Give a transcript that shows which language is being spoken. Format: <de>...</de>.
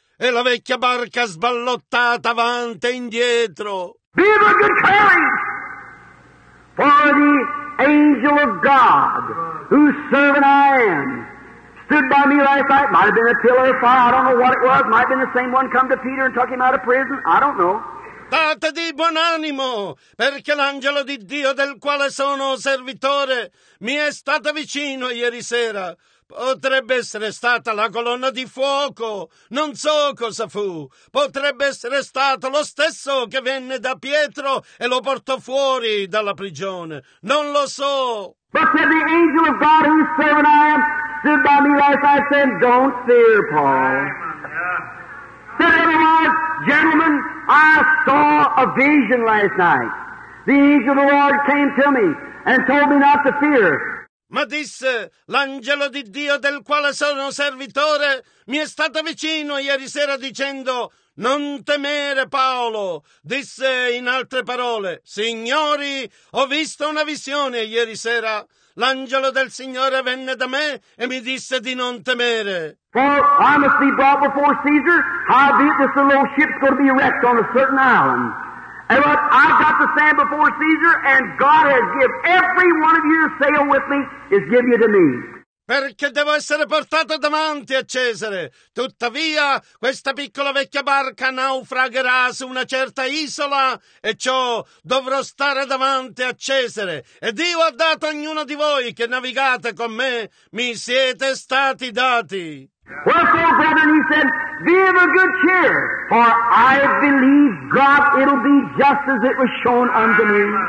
<it>E la vecchia barca sballottata avanti e indietro.</it> <en>Be of a good courage, for the angel of God, whose servant I am, stood by me last night. Might have been a pillar of fire. I don't know what it was. Might have been the same one come to Peter and took him out of prison. I don't know.</en> <it>State di buon animo, perché l'angelo di Dio del quale sono servitore mi è stato vicino ieri sera. Potrebbe essere stata la colonna di fuoco. Non so cosa fu. Potrebbe essere stato lo stesso che venne da Pietro e lo portò fuori dalla prigione. Non lo so.</it> <en>But said the angel of God, whose servant I am, stood by me last night, said, don't fear, Paul. Said, otherwise, gentlemen, I saw a vision last night. The angel of the Lord came to me and told me not to fear.</en> <it>Ma disse, l'angelo di Dio del quale sono servitore mi è stato vicino ieri sera dicendo, non temere Paolo. Disse in altre parole, signori, ho visto una visione ieri sera. L'angelo del Signore venne da me e mi disse di non temere.</it> <en>For I must be brought before Caesar, howbeit this little ship's going to be wrecked on a certain island. And look, I've got to stand before Caesar, and God has given every one of you to sail with me, is giving you to me.</en> <it>Perché devo essere portato davanti a Cesare. Tuttavia, questa piccola vecchia barca naufragherà su una certa isola, e ciò dovrò stare davanti a Cesare. E Dio ha dato a ognuno di voi che navigate con me, mi siete stati dati.</it> <en>Wherefore, brethren, he said, be of a good cheer, for I believe God it'll be just as it was shown unto me.</en>